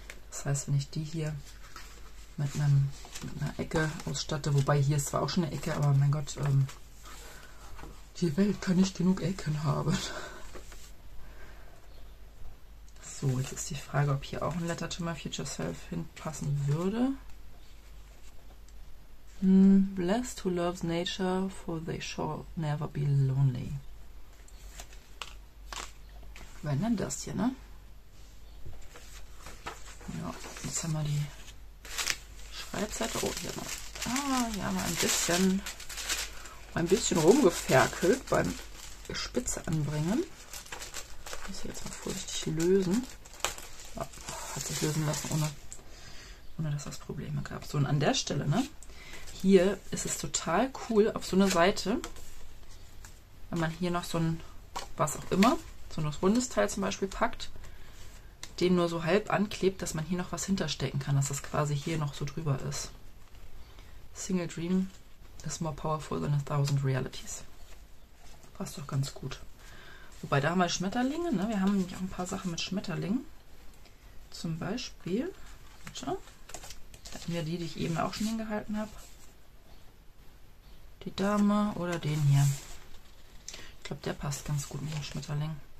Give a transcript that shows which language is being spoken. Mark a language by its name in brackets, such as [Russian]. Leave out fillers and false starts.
[German] Das heißt, wenn ich die hier mit einer Ecke ausstatte, wobei hier ist zwar auch schon eine Ecke, aber mein Gott, die Welt kann nicht genug Ecken haben. So, jetzt ist die Frage, ob hier auch ein Letter to My Future Self hinpassen würde. [English] Blessed who loves nature, for they shall never be lonely. [German] Wenn denn das hier, ne? Ja, jetzt haben wir die Schreibseite. Oh, hier haben wir. Ah, hier haben wir ein bisschen rumgeferkelt beim Spitze anbringen. Ich muss jetzt mal vorsichtig lösen. Ja, hat sich lösen lassen, ohne dass das Probleme gab. So, und an der Stelle, ne? Hier ist es total cool, auf so einer Seite, wenn man hier noch so ein, was auch immer, so ein rundes Teil zum Beispiel packt, den nur so halb anklebt, dass man hier noch was hinterstecken kann, dass das quasi hier noch so drüber ist. [English] Single Dream is more powerful than 1000 realities. [German] Passt doch ganz gut. Wobei, da haben wir Schmetterlinge, ne? Wir haben nämlich auch ein paar Sachen mit Schmetterlingen. Zum Beispiel, da hatten wir die ich eben auch schon hingehalten habe. Die Dame oder den hier. Ich glaube, der passt ganz gut mit dem Schmetterling.